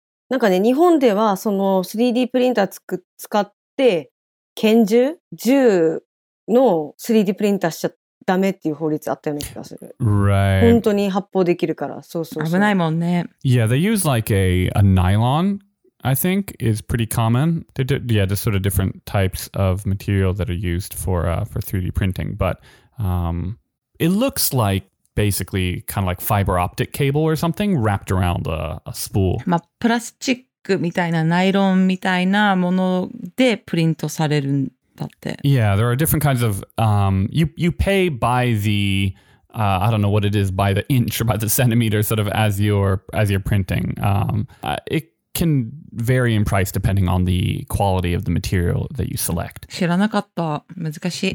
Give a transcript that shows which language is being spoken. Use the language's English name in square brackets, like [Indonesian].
[Japanese] なんかね、日本ではその 3D プリンター使って拳銃、銃の 3D プリンターしちゃダメっていう法律あったような気がする。 [English] Right. [Japanese] 本当に発砲できるから、そう。危ないもんね。 [English] Yeah, they use like a nylon, I think, is pretty common. Just sort of different types of material that are used for 3D printing, but. It looks like basically kind of like fiber optic cable or something wrapped around a spool. [Japanese] まあ、プラスチックみたいなナイロンみたいなものでプリントされるんだって。 [English] Yeah, there are different kinds of, you pay by the, I don't know what it is, by the inch or by the centimeter sort of as you're printing. It can vary in price depending on the quality of the material that you select. [Japanese] 知らなかった。難しい。